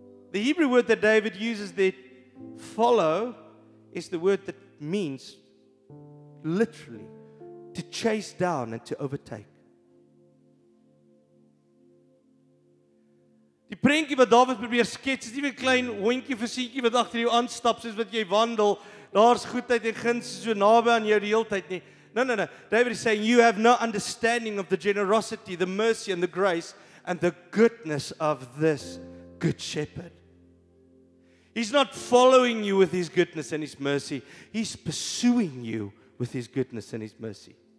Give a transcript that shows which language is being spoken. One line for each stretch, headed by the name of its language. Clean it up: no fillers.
English: The Hebrew word that David uses there, follow, is the word that means, literally, to chase down and to overtake.
Afrikaans: Die prentjie wat David probeer skets, is nie 'n klein hondjie vir seentjie wat agter jou aanstap, soos wat jy wandel, daar's goedheid en guns so naby aan jou die hele tyd nie.
English: No. David is saying, you have no understanding of the generosity, the mercy and the grace, and the goodness of this good shepherd. He's not following you with His goodness and His mercy. He's pursuing you with His goodness and His mercy.